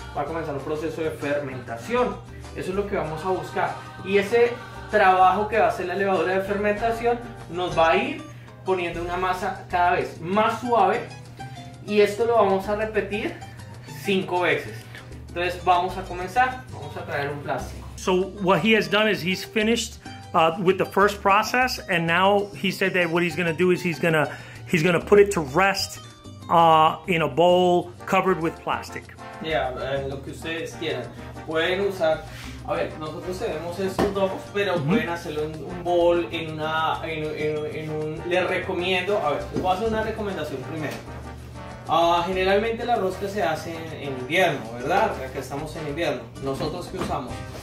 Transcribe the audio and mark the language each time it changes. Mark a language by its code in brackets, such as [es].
[es] Va a comenzar un proceso de fermentación. Eso es lo que vamos a buscar, y ese trabajo que va a hacer la levadura de fermentación nos va a ir poniendo una masa cada vez más suave, y esto lo vamos a repetir 5 veces. Entonces vamos a comenzar, vamos a traer un plástico. [en] So what he has done is he's finished with the first process, and now he said that what he's going to do is he's going to put it to rest in a bowl covered with plastic. [es] Yeah, lo que ustedes quieran. Pueden usar, a ver, nosotros tenemos estos dos, pero pueden hacerlo en un bowl, en un, les recomiendo, a ver, les voy a hacer una recomendación primero. Generalmente la rosca se hace en invierno, ¿verdad? Acá estamos en invierno. ¿Nosotros qué usamos?